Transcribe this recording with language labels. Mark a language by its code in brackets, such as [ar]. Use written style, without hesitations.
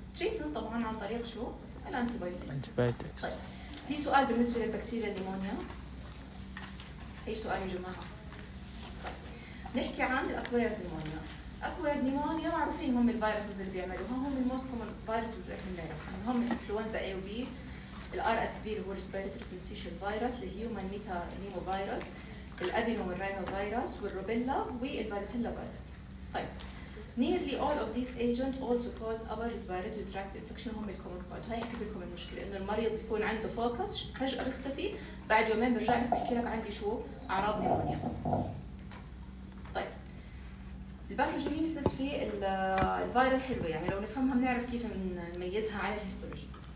[ar] طيب تريتمنت طبعا عن طريق شو؟ الانتيبايوتكس. طيب في سؤال بالنسبة للبكتيريا النيمونيا؟ اي سؤال يا جماعة؟ طيب نحكي عن الاكوايرد نيمونيا. أكوير نيمونيا معروفين هم الفيروسز اللي بيعملوها هم الموست كومن فيروسز اللي احنا نعرفها هم انفلونزا اي وبي الار اس في هو ريسبيرتوري سينسيشن فيروس الهيومن ميتا نيمو فيروس الادينو والرينو فيروس والروبيلا والفاريسيلا فيروس. [en] طيب nearly all of these agent also cause our respiratory tract infection [ar] هم الكومن كولد. هاي حكيت لكم المشكله انه المريض بيكون عنده فوكس فجاه بيختفي بعد يومين بيرجع لك بيحكي لك عندي شو اعراض نيمونيا. الباثوجينيسيس في الفيروس حلوه يعني لو نفهمها بنعرف كيف نميزها عن الهيستولوجي.